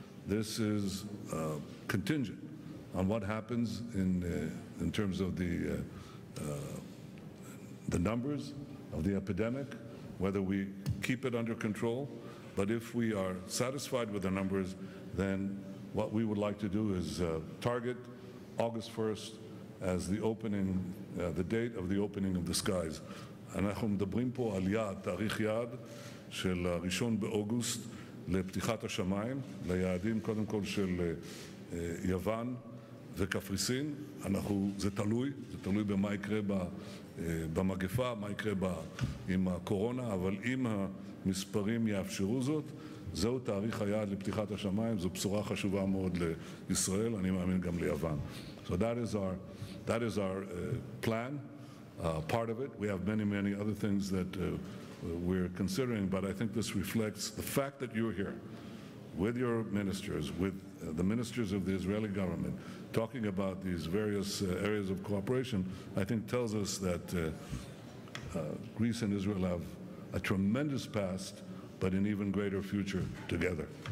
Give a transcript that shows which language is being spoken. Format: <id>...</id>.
<en>This is contingent on what happens in terms of the numbers of the epidemic, whether we keep it under control. But if we are satisfied with the numbers, then what we would like to do is target August 1st as the opening, the date of the opening of the skies.</en> <he>אנחנו מדברים פה על יעד, תאריך יעד של ראשון באוגוסט לפתיחת השמיים, ליעדים קודם כל של יוון וקפריסין. אנחנו, זה תלוי במה יקרה במגפה, מה יקרה עם הקורונה, אבל אם המספרים יאפשרו זאת, זהו תאריך היעד לפתיחת השמיים, זו בשורה חשובה מאוד לישראל, אני מאמין גם ליוון.</he> <en>So that is our plan. Part of it. We have many, many other things that we're considering, but I think this reflects the fact that you're here with your ministers, with the ministers of the Israeli government, talking about these various areas of cooperation, I think tells us that Greece and Israel have a tremendous past, but an even greater future together.</en>